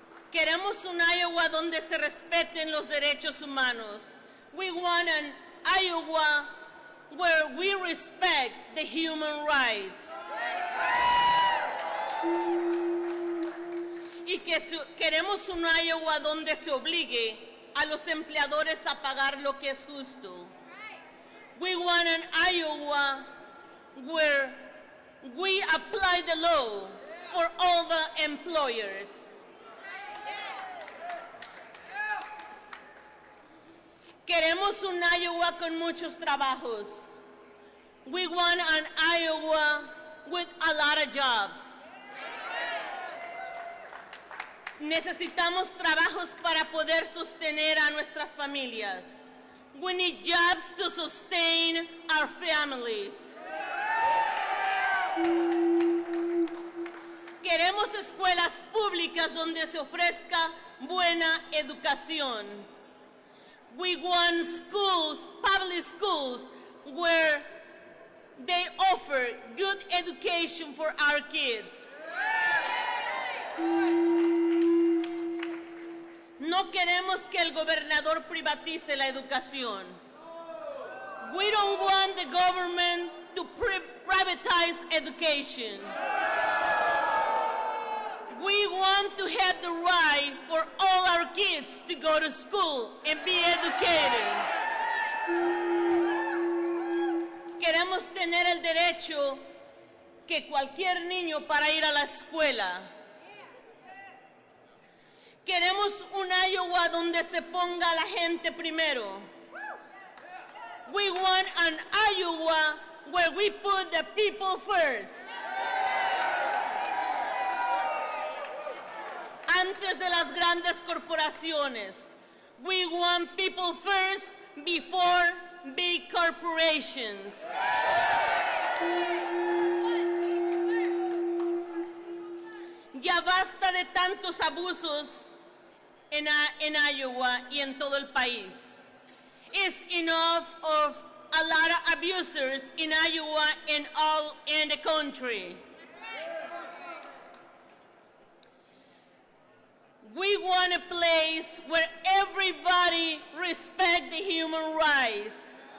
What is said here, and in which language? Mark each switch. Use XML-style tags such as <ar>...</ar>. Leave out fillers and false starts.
<es>Queremos un Iowa donde se respeten los derechos humanos.</es> <en>We want an Iowa where we respect the human rights.</en> <es>Y que queremos un Iowa donde se obligue a los empleadores a pagar lo que es justo.</es> <en>We want an Iowa where we apply the law for all the employers.</en> <es>Queremos un Iowa con muchos trabajos.</es> <en>We want an Iowa with a lot of jobs.</en> <es>Necesitamos trabajos para poder sostener a nuestras familias.</es> <en>We need jobs to sustain our families.</en> <es>Queremos escuelas públicas donde se ofrezca buena educación.</es> <en>We want schools, public schools, where they offer good education for our kids.</en> <es>No queremos que el gobernador privatice la educación.</es> <en>We don't want the government to privatize education. We want to have the right for all our kids to go to school and be educated.</en> <es>Queremos tener el derecho que cualquier niño para ir a la escuela. Queremos un Iowa donde se ponga la gente primero.</es> <en>We want an Iowa where we put the people first.</en> <es>Antes de las grandes corporaciones.</es> <en>We want people first before big corporations.</en> <es>Ya basta de tantos abusos en Iowa y en todo el país.</es> <en>It's enough of a lot of abusers in Iowa and all in the country. We want a place where everybody respects the human rights.</en>